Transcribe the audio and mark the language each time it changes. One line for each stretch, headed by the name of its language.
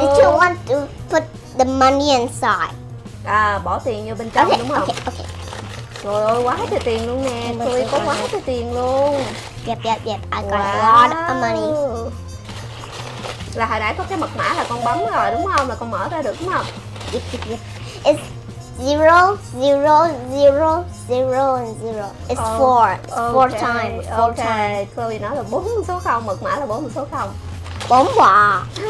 English: Did you want to put the money inside?
Vietnamese: À bỏ tiền vô bên trong,
English: okay,
Vietnamese: đúng không?
English: Okay, okay.
Vietnamese: Trời ơi quá trời tiền luôn nè. Tôi có quá trời tiền luôn.
English: Yep yep yep, I got a lot of money.
Vietnamese: Là hồi nãy có cái mật mã là con bấm rồi đúng không? Là con mở ra được đúng không?
English: Yep yep yep. It's 0 0 0 0 0. It's four. Okay. Four times. Four okay. Time.
Vietnamese: Chloe nói là 4 số 0, mật mã là 4 số 0. 4 quả.